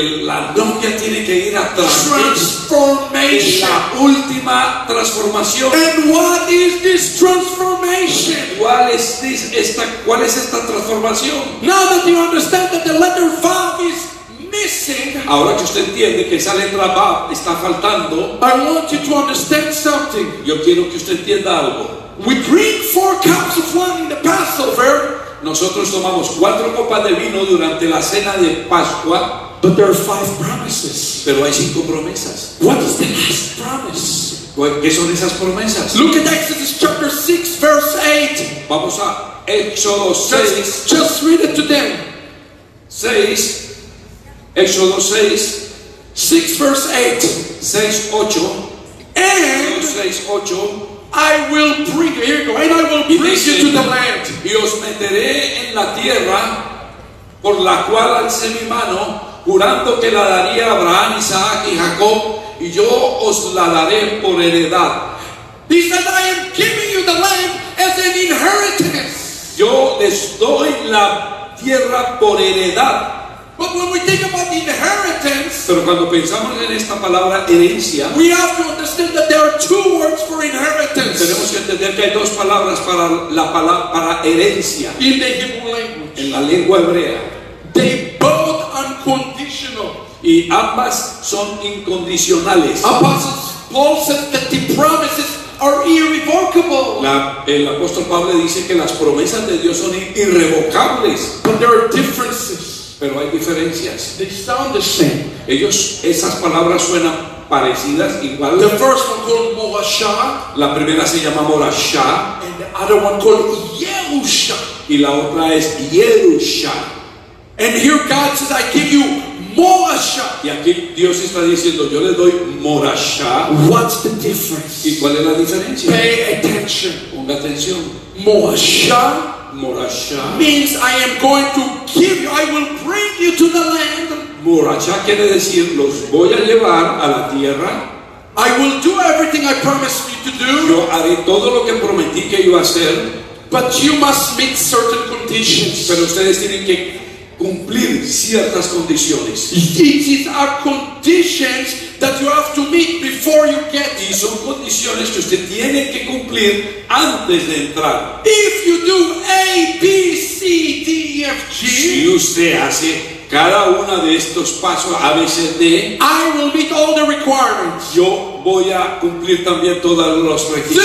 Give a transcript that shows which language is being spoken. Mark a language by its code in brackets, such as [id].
[es] La novia tiene que ir a [en] transformation. [es] La última transformación. [en] And what is this transformation? [es] ¿Cuál es esta transformación? [en] Now that you understand that the letter Vav is missing. [es] Ahora que usted entiende que esa letra Vav está faltando. [en] I want you to understand something. [es] Yo quiero que usted entienda algo. [en] We drink four cups of wine in the Passover. [es] Nosotros tomamos cuatro copas de vino durante la cena de Pascua. [en] But there are five promises. [es] Pero hay cinco promesas. [en] What is the last promise? [es] ¿Qué son esas promesas? [en] Look at Exodus chapter 6, verse 8. [es] Vamos a Éxodo 6. [en] Just read it to them. [es] 6. Éxodo 6. [en] 6, verse 8. [es] 6, 8. [en] And [es] 6, 8. [en] I will bring you, here you go, and I will bring [es] dice, [en] you to the land. [es] Y os meteré en la tierra por la cual alcé mi mano, jurando que la daría a Abraham, Isaac y Jacob, y yo os la daré por heredad. [en] He said, I am giving you the land as an inheritance. [es] Yo les doy la tierra por heredad. [en] But when we think about the inheritance, [es] pero cuando pensamos en esta palabra herencia, [en] we have to understand that there are two words for inheritance. [es] Tenemos que entender que hay dos palabras para la palabra para herencia. [en] In the Hebrew language, [es] en la lengua hebrea, [en] they both unconditional. [es] Y ambas son incondicionales. [en] Apostles, Paul says that the promises are irrevocable. [es] El apóstol Pablo dice que las promesas de Dios son irrevocables. [en] But there are differences. [es] Pero hay diferencias. [en] They sound the same. [es] Esas palabras suenan parecidas, igual. [en] The first one called Morasha. [es] La primera se llama Morasha. [en] And the other one called Yerusha. [es] Y la otra es Yerusha. [en] And here God says, I give you Morasha. [es] Y aquí Dios está diciendo, yo le doy Morasha. [en] What's the difference? [es] ¿Y cuál es la diferencia? [en] Pay attention. [es] Ponga atención. [en] Morasha. [es] Morasha [en] means I am going to give you, I will bring you to the land. [es] Morasha quiere decir, los voy a llevar a la tierra. [en] I will do everything I promised you to do. [es] Yo haré todo lo que prometí que iba a hacer. [en] But you must meet certain conditions. [es] Pero ustedes tienen que cumplir ciertas condiciones. [en] These are conditions that you have to meet before you get. [es] Y son condiciones que usted tiene que cumplir antes de entrar. [en] If you do A, B, C, D, F, G, [es] si usted hace cada uno de estos pasos A, B, C, D, [en] I will meet all the requirements. [es] Yo voy a cumplir también todos los requisitos.